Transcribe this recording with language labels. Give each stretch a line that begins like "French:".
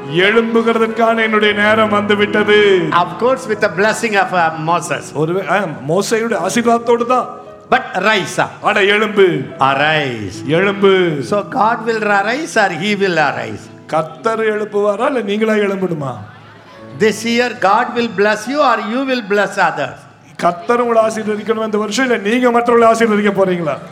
Tamil: எழும்புகிறதற்கான என்னுடைய நேரம் வந்து விட்டது.
English: Of course with the blessing of Moses.
Tamil: மோசேயுடைய ஆசீர்வாதத்தோடு தான்.
English: But rise up.
Tamil: அட எழும்பு.
English: Arise.
Tamil: எழும்பு.
English: So God will arise or he will arise.
Tamil: கர்த்தர் எழுப்புவாரா இல்ல நீங்களா எழும்பிடுமா?
English: This year God will bless you or you will bless others.
Tamil: கர்த்தர் உங்களை ஆசீர்வதிக்கணும் இந்த வருஷம் இல்ல நீங்க மற்றவர்களை ஆசீர்வதிக்க போறீங்களா?